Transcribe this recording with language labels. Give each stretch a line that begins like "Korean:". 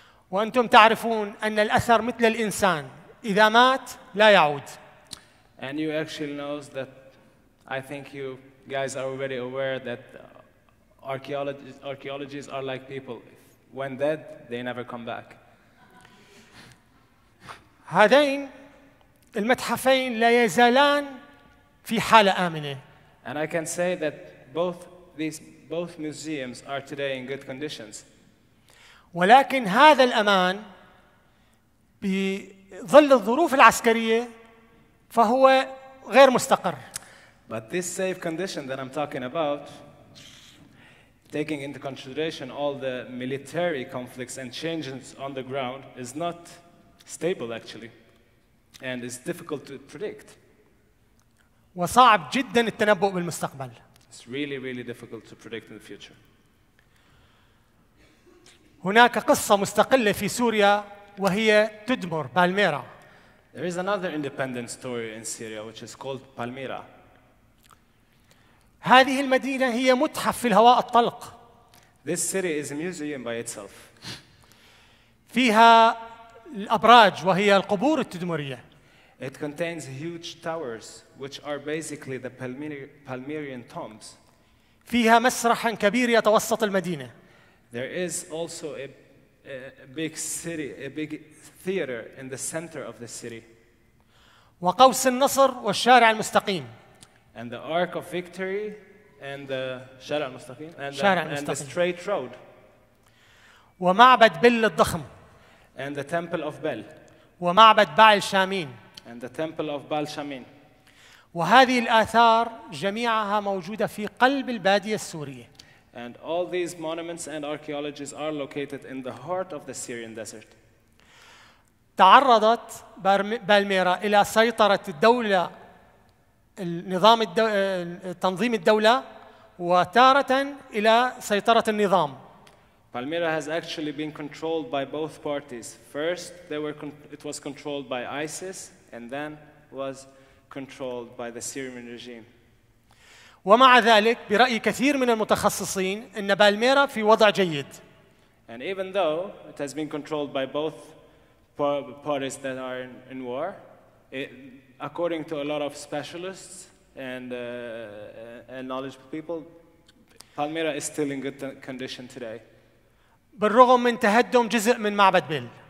Arabic: وأنتم تعرفون أن الأثر مثل الإنسان إذا مات لا يعود.
English: And you actually knows that, I think you guys are already aware that archaeologists are like people. When dead, they never come back.
Arabic: هذين المتحفين لا يزالان في حالة آمنة.
English: And I can say that both museums are today in good conditions.
Arabic: ولكن هذا الأمان بظل الظروف العسكرية فهو غير مستقر.
English: But this safe condition that I'm talking about, taking into consideration all the military conflicts and changes on the ground, is not stable actually. And it's difficult to predict.
Arabic: وصعب جدا التنبؤ بالمستقبل.
English: It's really, really difficult to predict in the future.
Arabic: هناك قصة مستقلة في سوريا وهي تدمر بالميرا.
English: There is another independent story in Syria which is called Palmyra.
Arabic: هذه المدينة هي متحف في الهواء الطلق.
English: This city is a museum by itself.
Arabic: فيها الأبراج وهي القبور التدمرية.
English: It contains huge towers which are basically the Palmyrian tombs.
Arabic: فيها مسرح كبير يتوسط المدينة.
English: There is also a big theater in the center of the city.
Arabic: وقوس النصر والشارع المستقيم.
English: And the Arc of Victory and the شارع المستقيم and the straight road.
Arabic: ومعبد بل الضخم.
English: And the temple of Bel.
Arabic: ومعبد بعل شامين.
English: And the temple of Baal Shamin.
Arabic: وهذه الآثار جميعها موجودة في قلب البادية السورية.
English: And all these monuments and archaeologies are located in the heart of the Syrian desert.
Arabic: تعرضت بالميرا إلى سيطرة الدولة النظام تنظيم الدولة وتارة إلى سيطرة النظام.
English: Palmyra has actually been controlled by both parties. First, it was controlled by ISIS, and then was controlled by the Syrian regime.
Arabic: ومع ذلك برأي كثير من المتخصصين أن بالميرا في وضع جيد.
English: And even though it has been controlled by both parties that are in war, according to a lot of specialists and knowledgeable people, Palmyra is still in good condition today.
Arabic: بالرغم من تهدم جزء من معبد بيل.